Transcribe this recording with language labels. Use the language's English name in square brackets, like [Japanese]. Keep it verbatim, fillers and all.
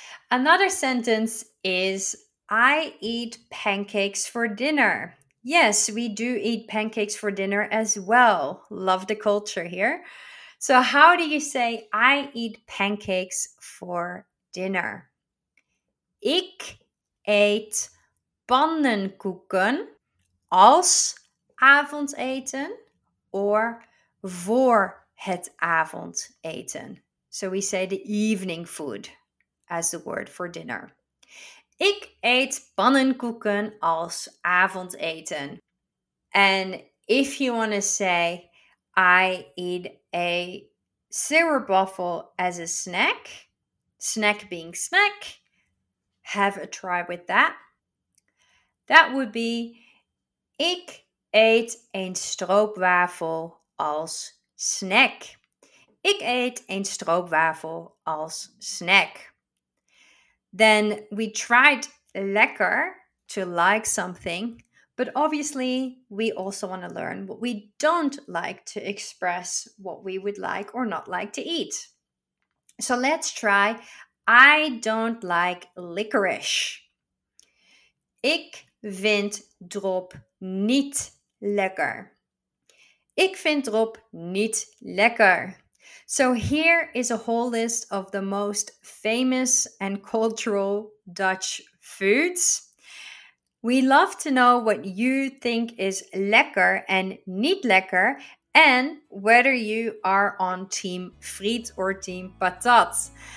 [English] Another sentence is, I eat pancakes for dinner. Yes, we do eat pancakes for dinner as well. Love the culture here. So how do you say, I eat pancakes for dinner? [Dutch] Ik eet pannenkoeken als avondeten or voor het avondeten. [English] So we say the evening food as the word for dinner. [Dutch] Ik eet pannenkoeken als avondeten. [English] And if you want to say, I eat a syrup waffle as a snack. Snack being snack. Have a try with that. That would be, [Dutch] ik eet een stroopwafel als snack. Ik eet een stroopwafel als snack. [English] Then we tried lekker to like something, but obviously we also want to learn what we don't like to express what we would like or not like to eat. So let's try, I don't like licorice. [Dutch] Ik vind drop niet lekker. Ik vind drop niet lekker. [English] So here is a whole list of the most famous and cultural Dutch foods. We love to know what you think is lekker and niet lekker, and whether you are on team friet or team patat.